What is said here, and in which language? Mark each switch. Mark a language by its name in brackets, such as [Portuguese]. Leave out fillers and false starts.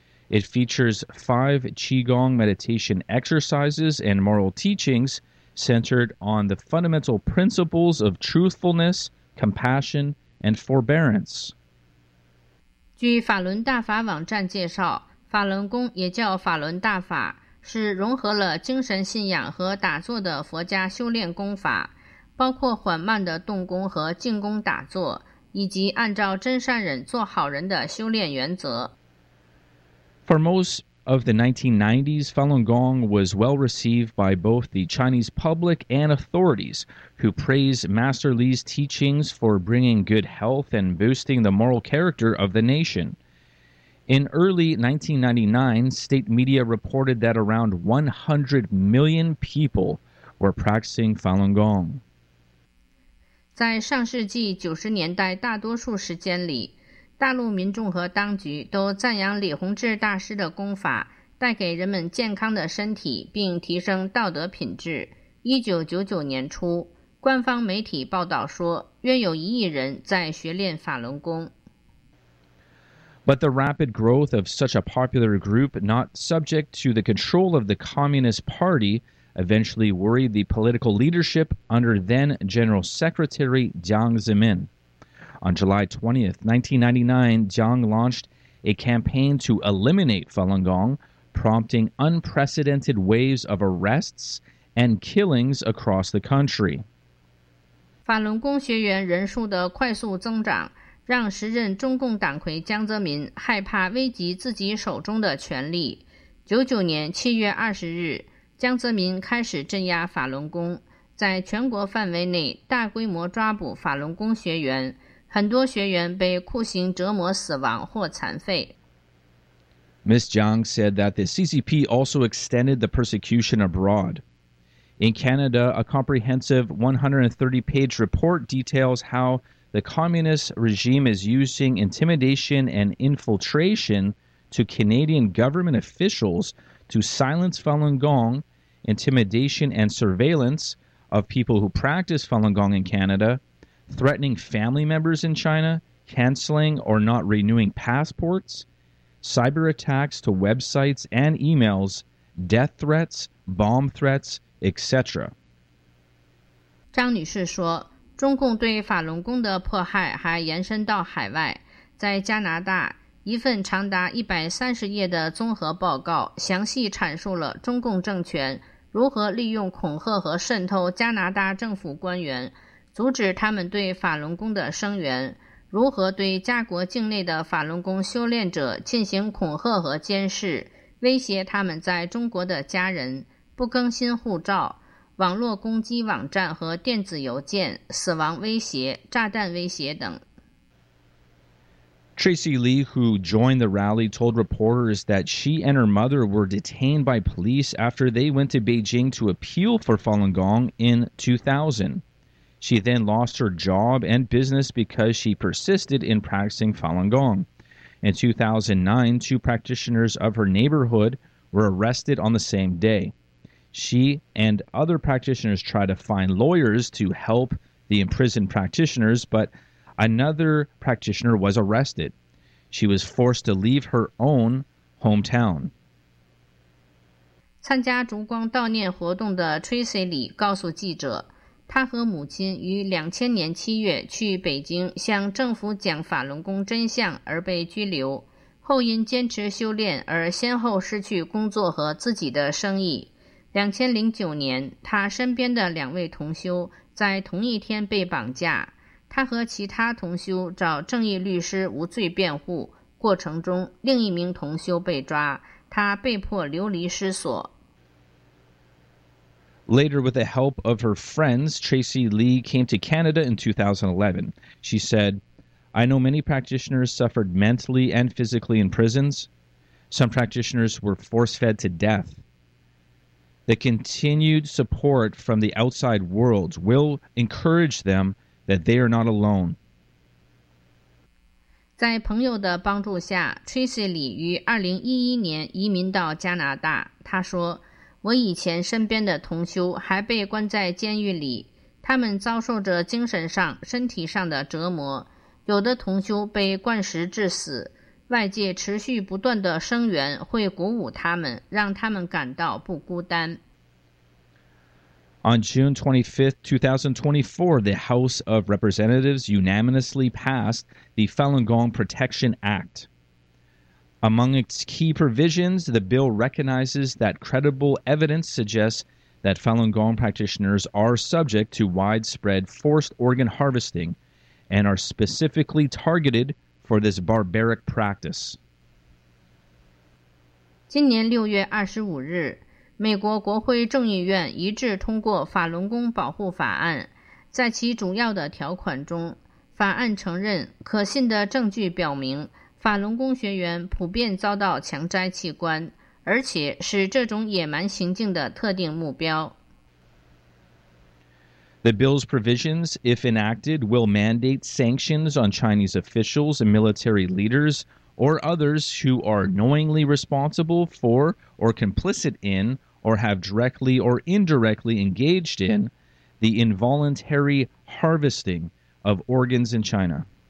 [English] It features 5 Qigong meditation exercises and moral teachings centered on the fundamental principles of truthfulness, compassion, and forbearance. [Chinese] 据法轮大法网站介绍，法轮功也叫法轮大法，是融合了精神信仰和打坐的佛家修炼功法，包括缓慢的动功和静功打坐，以及按照真善忍做好人的修炼原则。 [English] For most of the 1990s, Falun Gong was well received by both the Chinese public and authorities, who praised Master Li's teachings for bringing good health and boosting the moral character of the nation. In early 1999, state media reported that around 100 million people were practicing Falun Gong. [Chinese] 在上世纪90年代大多数时间里，大陆民众和当局都赞扬李洪志大师的功法带给人们健康的身体并提升道德品质。 1999年初，官方媒体报道说约有1亿人在学练法轮功。 [English] But the rapid growth of such a popular group, not subject to the control of the Communist Party, eventually worried the political leadership under then-General Secretary Jiang Zemin. On July 20, 1999, Jiang launched a campaign to eliminate Falun Gong, prompting unprecedented waves of arrests and killings across the country. [Chinese] 法轮功学员人数的快速增长让时任中共党魁江泽民害怕危及自己手中的权力。 99年7月20日，江泽民开始镇压法轮功，在全国范围内大规模抓捕法轮功学员，很多学员被酷刑折磨死亡或残废。 [English] Ms. Jiang said that the CCP also extended the persecution abroad. In Canada, a comprehensive 130-page report details how the communist regime is using intimidation and infiltration to Canadian government officials to silence Falun Gong, intimidation and surveillance of people who practice Falun Gong in Canada, threatening family members in China, canceling or not renewing passports, cyber attacks to websites and emails, death threats, bomb threats, etc. [Chinese] 张女士说，中共对法轮功的迫害还延伸到海外。在加拿大，一份长达130页的综合报告详细阐述了中共政权如何利用恐吓和渗透加拿大政府官员，阻止他们对法轮功的声援，如何对加国境内的法轮功修炼者进行恐吓和监视，威胁他们在中国的家人，不更新护照，网络攻击网站和电子邮件，死亡威胁、炸弹威胁等。 [English] Tracy Lee, who joined the rally, told reporters that she and her mother were detained by police after they went to Beijing to appeal for Falun Gong in 2000. She then lost her job and business because she persisted in practicing Falun Gong. In 2009, two practitioners of her neighborhood were arrested on the same day. She and other practitioners tried to find lawyers to help the imprisoned practitioners, but another practitioner was arrested. She was forced to leave her own hometown. [Chinese] 参加烛光悼念活动的 Tracy 李告诉记者，她和母亲于2000年7月去北京向政府讲法轮功真相而被拘留，后因坚持修炼而先后失去工作和自己的生意。 2009年，她身边的两位同修在同一天被绑架，她和其他同修找正义律师无罪辩护，过程中另一名同修被抓，她被迫流离失所。 [English] Later, with the help of her friends, Tracy Lee came to Canada in 2011. She said, I know many practitioners suffered mentally and physically in prisons. Some practitioners were force-fed to death. The continued support from the outside world will encourage them that they are not alone. [Chinese] 在朋友的帮助下 ,Tracy Lee 于2011年移民到加拿大。她说，我以前身边的同修还被关在监狱里，他们遭受着精神上、身体上的折磨，有的同修被灌食致死，外界持续不断的声援会鼓舞他们，让他们感到不孤单。 [English] On June 25, 2024, the House of Representatives unanimously passed the Falun Gong Protection Act. Among its key provisions, the bill recognizes that credible evidence suggests that Falun Gong practitioners are subject to widespread forced organ harvesting and are specifically targeted for this barbaric practice. [Chinese] 今年6月25日，美国国会众议院一致通过法轮功保护法案，在其主要的条款中，法案承认可信的证据表明法轮功学员普遍遭到强摘器官，而且是这种野蛮行径的特定目标。 [English] The bill's provisions, if enacted, will mandate sanctions on Chinese officials and military leaders or others who are knowingly responsible for or complicit in or have directly or indirectly engaged in the involuntary harvesting of organs in China.